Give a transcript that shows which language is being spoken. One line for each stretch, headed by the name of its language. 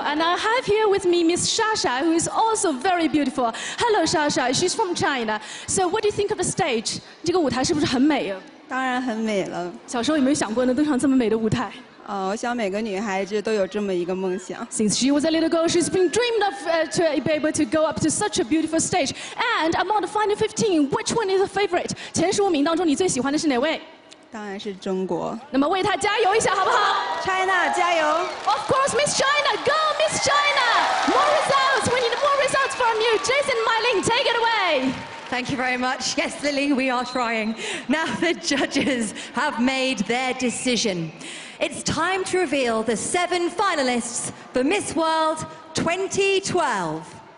English: And I have here with me Miss Shasha, who is also very beautiful. Hello, Shasha. She's from China. So what do you think of the stage?
Chinese: 这个舞台是不是很美啊？当然很美了。小时候有没有想过能登上这么美的舞台？我想每个女孩子都有这么一个梦想。
English: Since she was a little girl, she's been dreamed of to be able to go up to such a beautiful stage. And among the final 15, which one is your favorite?
Chinese: 前十五名当中你最喜欢的是哪位？当然是中国。那么为她加油一下好不好？
English: China,
Chinese: 加油
English: Of course, Miss China, go Miss China! More results, we need more results from you. Jason, Mylene, take it away. Thank you very much. Yes, Lily, we are trying. Now the judges have made their decision. It's time to reveal the seven finalists for Miss World 2012.